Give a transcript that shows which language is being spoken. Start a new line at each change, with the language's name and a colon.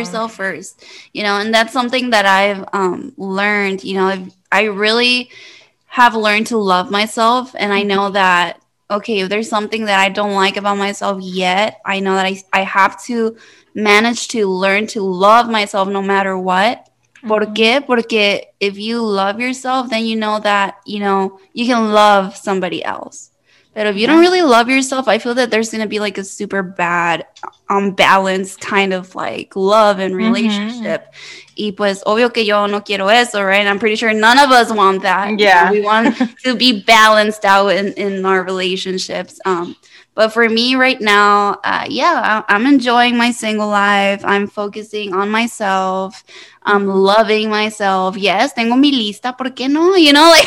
English: yourself first, you know, and that's something that I've learned, you know, I really have learned to love myself, and I know that, okay, if there's something that I don't like about myself yet, I know that I have to manage to learn to love myself no matter what. Mm-hmm.
Spanish: ¿Por qué? Porque
English: if you love yourself, then you know that, you know, you can love somebody else. But if you don't really love yourself, I feel that there's going to be like a super bad, unbalanced kind of like love and relationship.
Spanish: Mm-hmm. Y pues, obvio que yo no quiero eso,
English: right? I'm pretty sure none of us want that. Yeah. We want to be balanced out in our relationships. But for me right now, I'm enjoying my single life. I'm focusing on myself. I'm loving myself. Yes,
Spanish: tengo mi lista. ¿Por qué no?
English: You know, like.